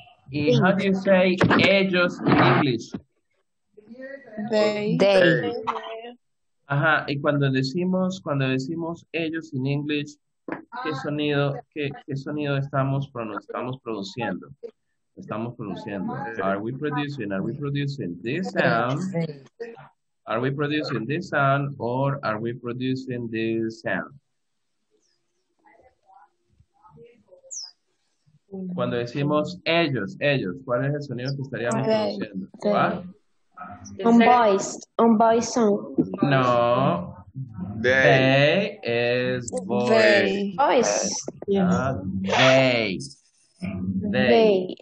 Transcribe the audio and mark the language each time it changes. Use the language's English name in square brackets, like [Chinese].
[English] Y how do you say ellos in English? They. [Spanish] Ajá, y cuando decimos ellos [English] in English, [Spanish] ¿qué sonido estamos produciendo? Estamos produciendo. [English] Are we producing this sound? Are we producing this sound or are we producing this sound? [Spanish] Cuando decimos ellos, ¿cuál es el sonido que estaríamos [English] okay. [Spanish] produciendo? [English] Unvoiced sound. No. They is voice. They. Voice. They. They.